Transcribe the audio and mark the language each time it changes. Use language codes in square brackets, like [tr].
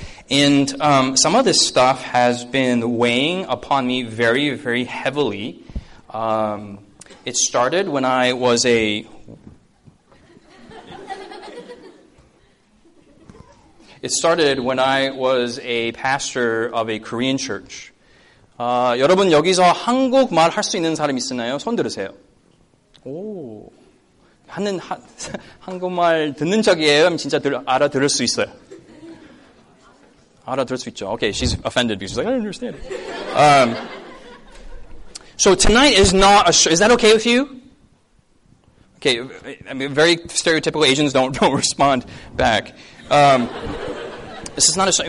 [en] And some of this stuff has been weighing upon me very, very heavily. It started when I was a... It started when I was a pastor of a Korean church. [ko] 여러분 여기서 한국말 할 수 있는 사람 있으나요? 손 들으세요. 오, 하는 한국말 듣는 척이에요? 진짜 알아들을 수 있어요? 알아들을 수 있죠. [en] Okay, she's offended because she's like, I don't understand. So tonight is not a show. Is that okay with you? Okay, I mean, very stereotypical Asians don't respond back. This is not a show.